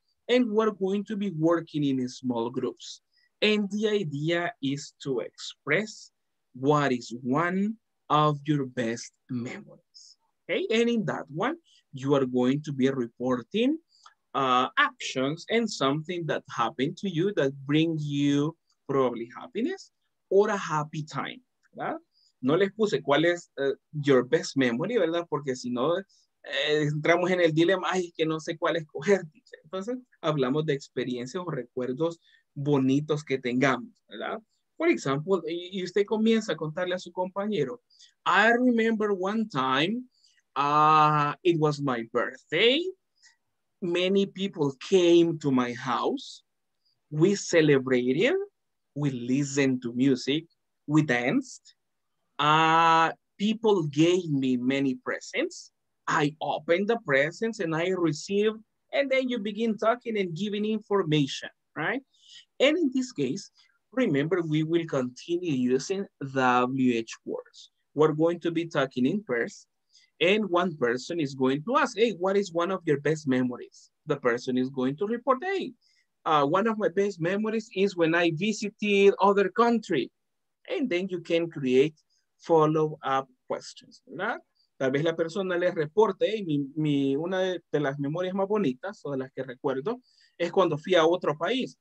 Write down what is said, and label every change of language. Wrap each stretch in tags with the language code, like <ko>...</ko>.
<en>And we're going to be working in small groups. And the idea is to express what is one of your best memories. Okay, and in that one, you are going to be reporting actions and something that happened to you that bring you probably happiness or a happy time, ¿verdad?</en> <es>No les puse cuál es</es> <en>your best memory,</en> <es>¿verdad? Porque si no, entramos en el dilema, ay, que no sé cuál escoger. Entonces, hablamos de experiencias o recuerdos bonitos que tengamos, ¿verdad? Por ejemplo, y usted comienza a contarle a su compañero,</es> <en>I remember one time, it was my birthday, many people came to my house, we celebrated, we listened to music, we danced, people gave me many presents, I opened the presents and I received, and then you begin talking and giving information, right? And in this case, remember, we will continue using WH words. We're going to be talking in pairs, and one person is going to ask, hey, what is one of your best memories? The person is going to report, hey, one of my best memories is when I visited other country. And then you can create follow-up questions, right?</en> <es>Tal vez la persona le reporte, hey, una de las memorias más bonitas o de las que recuerdo es cuando fui a otro país.</es>